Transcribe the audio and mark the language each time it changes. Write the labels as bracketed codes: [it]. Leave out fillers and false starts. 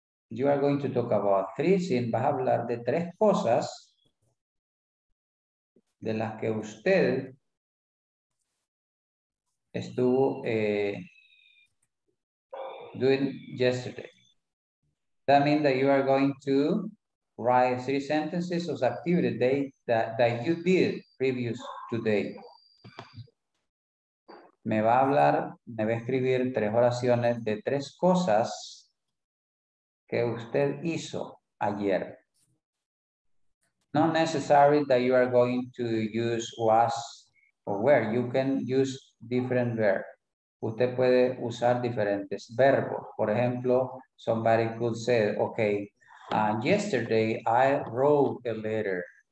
[en] you are going to talk about three, [es] sin vas a hablar de tres cosas de las que usted estuvo [en] doing yesterday. That means that you are going to write three sentences of activity day that you did previous today. [es] Me va a hablar, me va a escribir tres oraciones de tres cosas que usted hizo ayer. [en] Not necessary that you are going to use was or were. You can use different verbs. [es] Usted puede usar diferentes verbos. Por ejemplo, [en] somebody could say, okay, yesterday I wrote a letter.